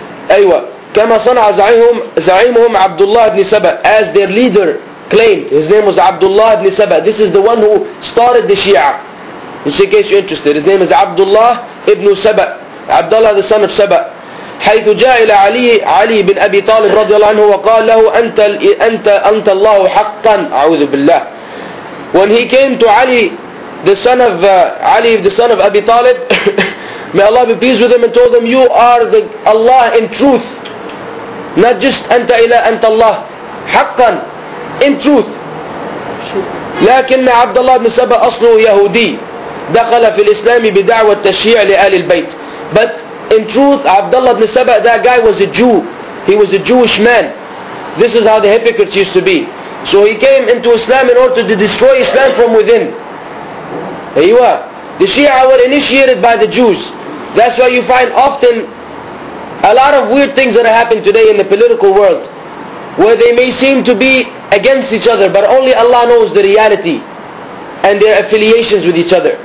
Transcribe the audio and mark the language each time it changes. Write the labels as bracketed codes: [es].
[en] Aywa, [ar] كما صنع زعيمهم عبد الله بن سبا, [en] as their leader claimed, his name was Abdullah ibn Saba. This is the one who started the Shia. Just in case you're interested, his name is Abdullah ibn Saba, Abdullah the son of Saba. [ar] حيث جاء إلى علي بن أبي طالب رضي الله عنه وقال له أنت الله حقا أعوذ بالله. [en] When he came to Ali, the son of Abi Talib, may Allah be pleased with him, and told him, you are the Allah in truth, not just [ar] أنت إلى أنت الله حقا, [en] in truth. [ar] لكن عبد الله بن سبا أصله يهودي دخل في الإسلام بدعوة التشيع لآل البيت. [en] But in truth, Abdullah ibn Saba, that guy was a Jew. He was a Jewish man. This is how the hypocrites used to be. So he came into Islam in order to destroy Islam from within. There you are. The Shia were initiated by the Jews. That's why you find often a lot of weird things that are happening today in the political world, where they may seem to be against each other, but only Allah knows the reality and their affiliations with each other.